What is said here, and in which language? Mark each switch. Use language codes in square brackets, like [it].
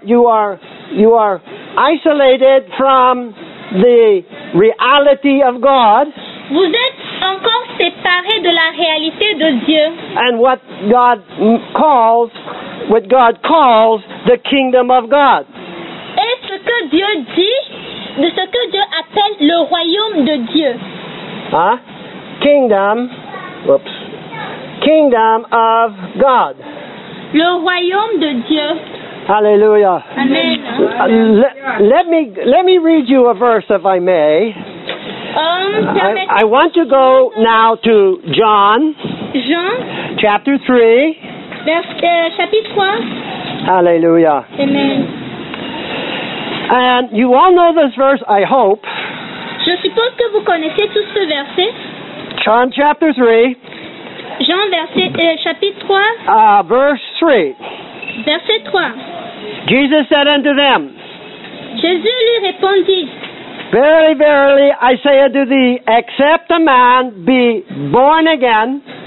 [en] You are isolated from the reality of God. [fr] Vous êtes encore séparé de la réalité de Dieu. [en] And what God calls the kingdom of God. [fr] Et ce que Dieu dit, de ce que Dieu appelle le royaume de Dieu. [en] Huh? Kingdom. Oops. Kingdom of God. [fr] Le royaume de Dieu. [en] Hallelujah. Amen. Let me read you a verse if I may. I want to go now to John chapter 3. [fr] Chapitre 3. [en] Hallelujah. Amen. And you all know this verse, I hope. [fr] Je suppose que vous connaissez tout ce verset. [en] John chapter 3. [fr] Jean verset, chapitre 3. [en] Verse 3. [fr] Verset 3. [en] Jesus said unto them. [fr] Jésus lui répondit. [en] Verily, verily, I say unto thee, except a man be born again.